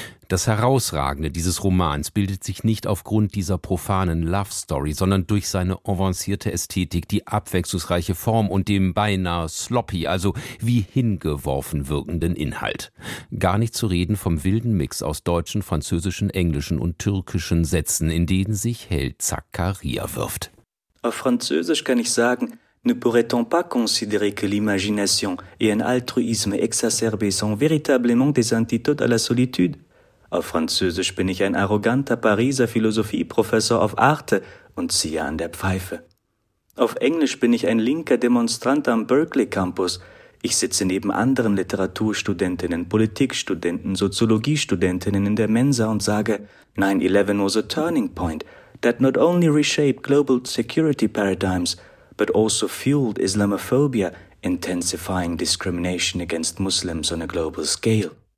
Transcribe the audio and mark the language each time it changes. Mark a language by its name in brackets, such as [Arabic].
[German] Das Herausragende dieses Romans bildet sich nicht aufgrund dieser profanen Love Story, sondern durch seine avancierte Ästhetik, die abwechslungsreiche Form und dem beinahe sloppy, also wie hingeworfen wirkenden Inhalt. Gar nicht zu reden vom wilden Mix aus deutschen, französischen, englischen und türkischen Sätzen, in denen sich Held Zakaria wirft. Auf Französisch kann ich sagen, [French] ne pourrait-on pas considérer que l'imagination et un altruisme exacerbé sont véritablement des antidotes à la solitude? [German] Auf Französisch bin ich ein arroganter Pariser Philosophieprofessor auf Arte und ziehe an der Pfeife. Auf Englisch bin ich ein linker Demonstrant am Berkeley Campus. Ich sitze neben anderen Literaturstudentinnen, Politikstudenten, Soziologiestudentinnen in der Mensa und sage, [English] 9/11 was a turning point that not only reshaped global security paradigms, but also fueled Islamophobia, intensifying discrimination against Muslims on a global scale.